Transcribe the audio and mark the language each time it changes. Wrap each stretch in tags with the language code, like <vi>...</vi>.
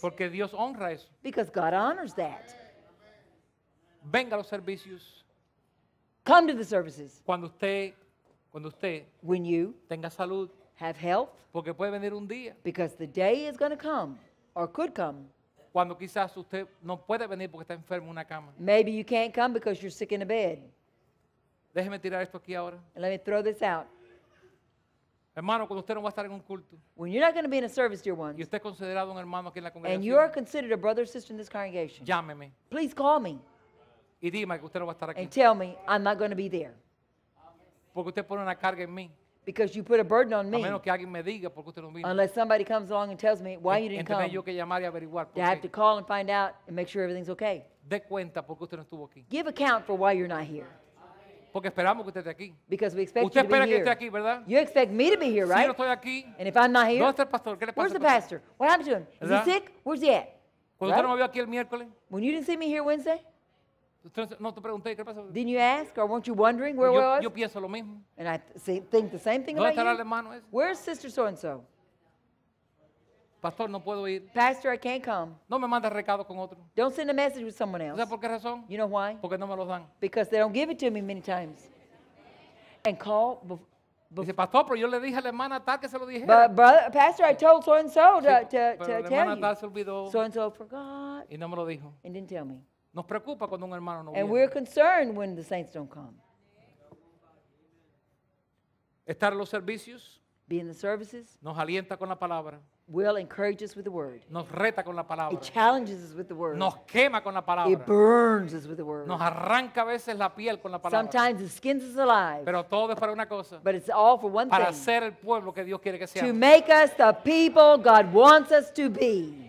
<es>Porque Dios honra eso.</es> <en>Because God honors that.</en> <es>Venga a los servicios.</es> <en>Come to the services.</en> <es>Cuando usted</es> <en>when you</en> <es>tenga salud,</es> <en>have health,</en> <es>porque puede venir un día,</es> <en>because the day is going to come, or could come,</en> <es>cuando quizás usted no puede venir porque está enfermo en una cama.</es> <en>Maybe you can't come because you're sick in a bed.</en> <es>Déjeme tirar esto aquí ahora.</es> <en>And let me throw this out.</en> <es>Hermano, cuando usted no va a estar en un culto,</es> <en>when you're not going to be in a service, dear ones,</en> <es>y usted es considerado un hermano aquí en la congregación,</es> <en>and you are considered a brother or sister in this congregation,</en> <es>llámeme.</es> <en>Please call me.</en> <es>Y dime que usted no va a estar aquí.</es> <en>And tell me I'm not going to be there.</en> <es>Porque usted pone una carga en mí.</es> <en>Because you put a burden on me.</en> <es>A menos que alguien me diga por qué usted no vino.</es> <en>Unless somebody comes along and tells me why you didn't</en> <es>entonces</es> <en>come.</en> <es>Yo que llamar y averiguar por</es> <en>qué. I have to call and find out and make sure everything's okay.</en> <es>De cuenta por qué usted no estuvo aquí.</es> <en>Give account for why you're not here.</en> <es>Porque esperamos que usted esté aquí.</es> <en>Because we expect</en> <es>usted</es> <en>you to</en> <es>espera</es> <en>be here.</en> <es>Que esté aquí, ¿verdad?</es> <en>You expect me to be here, right?</en> <es>Si no estoy aquí,</es> <en>and if I'm not here,</en> <es>¿dónde está el pastor? ¿Qué le pasa?</es> <en>Where's the pastor? What happened to him? Is he sick? Where's he at?</en> <es>Cuando usted no me vio aquí el miércoles.</es> <en>When you didn't see me here Wednesday.</en> <es>No te pregunté, ¿qué pasó?</es> <en>Didn't you ask, or weren't you wondering where</en> <es>yo</es> <en>was?</en> <es>Yo pienso lo mismo.</es> <en>And I think the same thing</en> <es>¿dónde estará</es> <en>you?</en> <es>El hermano ese?</es> <en>Where's Sister So-and-so?</en> <es>Pastor, no puedo ir.</es> <en>Pastor, I can't come.</en> <es>No me mandes recado con otro.</es> <en>Don't send a message with someone else.</en> <es>¿Sabes por qué razón?</es> <en>You know why?</en> <es>Porque no me los dan.</es> <en>Because they don't give it to me many times. And call</en> <es>dice, pastor, pero yo le dije a la hermana tal que se lo dijera.</es> <en>But brother, pastor, I told So-and-so to tell</en> <es>you. Se olvidó.</es> <en>So-and-so forgot.</en> <es>Y no me lo dijo.</es> <en>And didn't tell me.</en> <es>Nos preocupa cuando un hermano no</es> <en>and</en> <es>viene.</es> <en>We're concerned when the saints don't come.</en> <es>Estar en los servicios.</es> <en>Be in the services.</en> <es>Nos alienta con la palabra.</es> <en>Will encourage us with the word.</en> <es>Nos reta con la palabra.</es> <en>It challenges us with the word.</en> <es>Nos quema con la palabra.</es> <en>It burns us with the word.</en> <es>Nos arranca a veces la piel con la palabra.</es> <en>Sometimes it skins us alive.</en> <es>Pero todo es para una cosa.</es> <en>But it's all for one</en> <es>para Para ser el pueblo que Dios quiere que sea.</es> <en>To make us the people God wants us to be.</en>